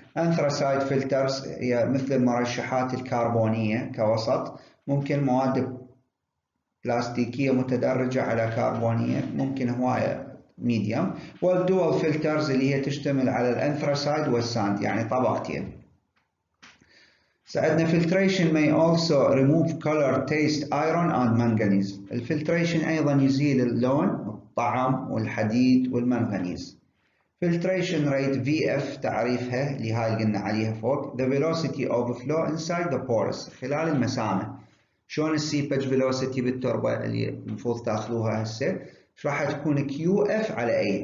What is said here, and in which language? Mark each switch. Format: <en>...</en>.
<ar>أنثروسايت فلترز هي مثل المرشحات الكربونية كوسط، ممكن مواد بلاستيكية متدرجة على كربونية، ممكن هواية ميديوم. والدول فلترز اللي هي تشتمل على الانثروسايد والساند، يعني طبقتين. سعدنا</ar> <en>Filtration may also remove color, taste, iron and manganese.</en> <ar>الفلتريشن ايضا يزيل اللون والطعم والحديد والمنغنيز. فلتريشن ريت VF تعريفها اللي هاي قلنا عليها فوق،</ar> <en>the velocity of flow inside the pores</en> <ar>خلال المسامه. شلون السيبج فيلوسيتي بالتربه اللي المفروض تاخذوها هسه؟ راح تكون كيو اف على اي.</ar>